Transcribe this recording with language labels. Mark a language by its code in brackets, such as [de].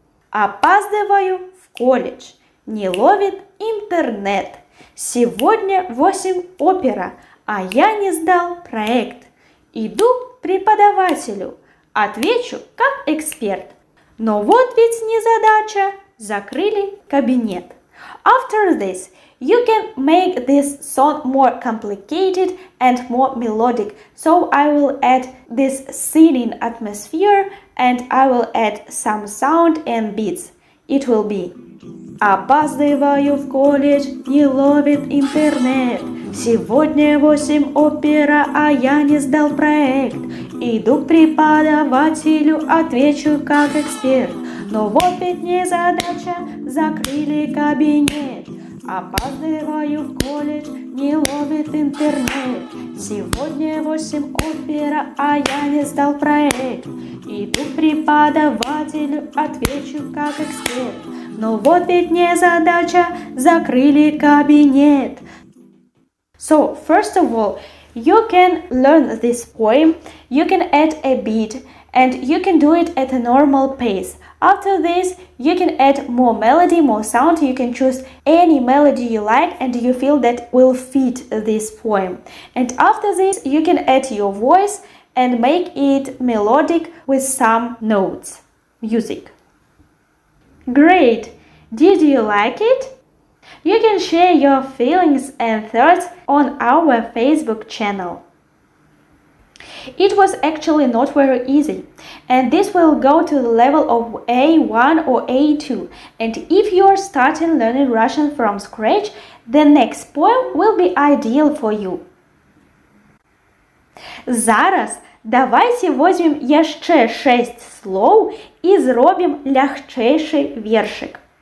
[ru] Опаздываю в колледж, не ловит интернет. Сегодня 8 опера, а я не сдал проект. Иду к преподавателю, отвечу как эксперт. Но вот ведь не задача, закрыли кабинет. [en] After this, you can make this song more complicated and more melodic. So I will add this singing atmosphere and I will add some sound and beats. It will be. [ru] Опаздываю в колледж, не ловит интернет. Сегодня 8 опера, а я не сдал проект. Иду к преподавателю, отвечу как эксперт. Но вот ведь не задача, закрыли кабинет. Опаздываю в колледж, не ловит интернет. Сегодня 8 опера, а я не сдал проект. Иду к преподавателю, отвечу как эксперт. Но вот ведь не задача, закрыли кабинет. [en] So, first of all, you can learn this poem, you can add a beat, and you can do it at a normal pace. After this, you can add more melody, more sound, you can choose any melody you like and you feel that will fit this poem. And after this, you can add your voice and make it melodic with some notes, music. Great! Did you like it? You can share your feelings and thoughts on our Facebook channel. It was actually not very easy, and this will go to the level of A1 or A2. And if you are starting learning Russian from scratch, the next poem will be ideal for you. [ru] Зараз давайте возьмем ещё 6 слов и зробим лягчейший вершик.